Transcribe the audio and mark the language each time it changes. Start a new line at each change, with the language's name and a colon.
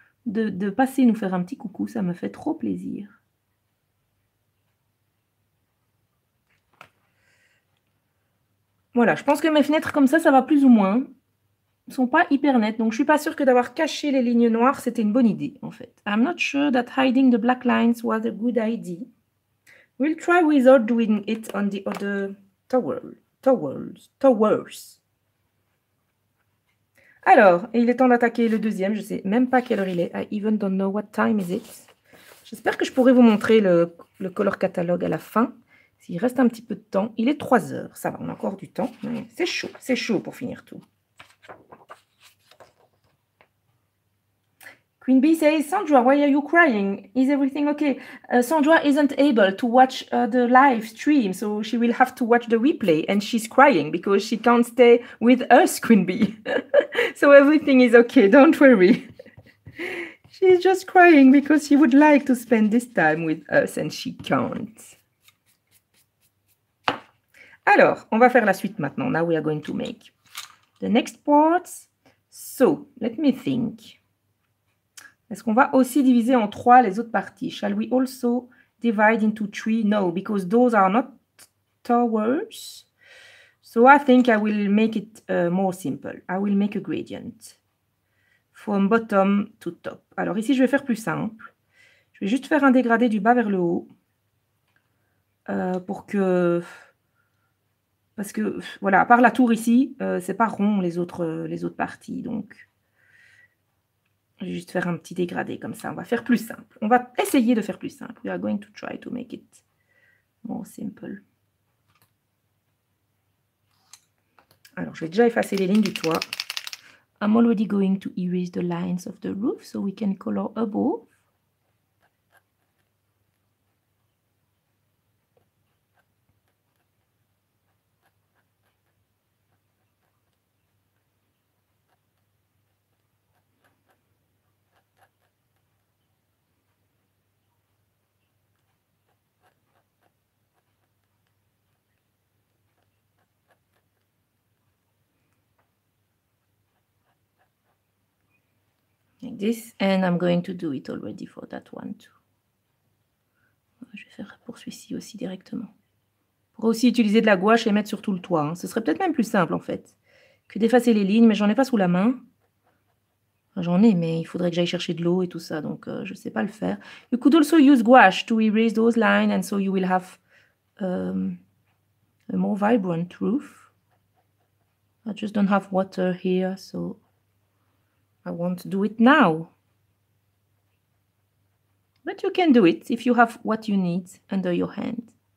French: De passer nous faire un petit coucou, ça me fait trop plaisir. Voilà, je pense que mes fenêtres comme ça, ça va plus ou moins. Elles ne sont pas hyper nettes, donc je ne suis pas sûre que d'avoir caché les lignes noires, c'était une bonne idée, en fait.
English: I'm not sure that hiding the black lines was a good idea. We'll try without doing it on the other towers.
French: Alors, il est temps d'attaquer le deuxième. Je ne sais même pas quelle heure il est.
English: I even don't know what time is it.
French: J'espère que je pourrai vous montrer le color catalogue à la fin. S'il reste un petit peu de temps. Il est 3 heures. Ça va, on a encore du temps. Mais c'est chaud. C'est chaud pour finir tout.
English: Queen Bee says, Sandra, why are you crying? Is everything okay? Sandra isn't able to watch the live stream. So she will have to watch the replay. And she's crying because she can't stay with us, Queen Bee. So everything is okay, don't worry. She's just crying because she would like to spend this time with us and she can't.
French: Alors, on va faire la suite maintenant.
English: Now we are going to make the next parts. So, let me think.
French: Est-ce qu'on va aussi diviser en trois les autres parties?
English: Shall we also divide into three? No, because those are not towers. So I think I will make it more simple. I will make a gradient from bottom to top.
French: Alors ici, je vais faire plus simple. Je vais juste faire un dégradé du bas vers le haut pour que... Parce que, voilà, à part la tour ici, c'est pas rond les autres parties. Donc, je vais juste faire un petit dégradé comme ça. On va faire plus simple. On va essayer de faire plus simple.
English: We are going to try to make it more simple.
French: Alors, je vais déjà effacer les lignes du toit.
English: I'm already going to erase the lines of the roof so we can color above. This and I'm going to do it already for that one too.
French: Je vais faire pour celui-ci aussi directement. On pourrait aussi utiliser de la gouache et mettre sur tout le toit. Hein. Ce serait peut-être même plus simple en fait que d'effacer les lignes, mais j'en ai pas sous la main. J'en ai, mais il faudrait que j'aille chercher de l'eau et tout ça, donc je sais pas le faire.
English: You could also use gouache to erase those lines and so you will have a more vibrant roof. I just don't have water here, so. I want to do it now. But you can do it if you have what you need under your hand.